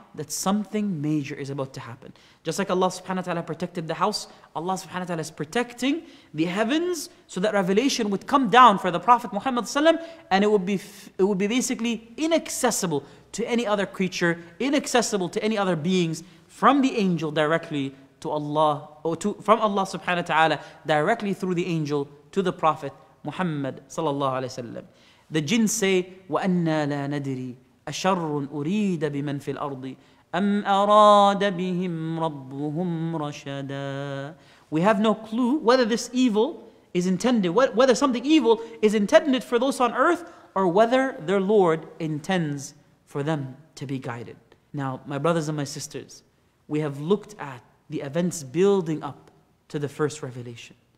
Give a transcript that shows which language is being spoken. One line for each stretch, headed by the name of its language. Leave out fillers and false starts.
English: that something major is about to happen. Just like Allah subhanahu wa ta'ala protected the house, Allah subhanahu wa ta'ala is protecting the heavens so that revelation would come down for the Prophet Muhammad sallam, and it would be basically inaccessible to any other creature, inaccessible to any other beings from the angel directly to Allah, from Allah subhanahu wa ta'ala directly through the angel to the Prophet Muhammad sallallahu alayhi wa sallam. The jinn say,
Arabic: وَأَنَّا لَا نَدْرِي أَشَرٌ أُرِيدَ بِمَنْ فِي الْأَرْضِ أَمْ أَرَادَ بِهِمْ رَبُّهُمْ رَشَدًا.
English: We have no clue whether this evil is intended, whether something evil is intended for those on earth, or whether their Lord intends for them to be guided. Now, my brothers and my sisters, we have looked at the events building up to the first revelation.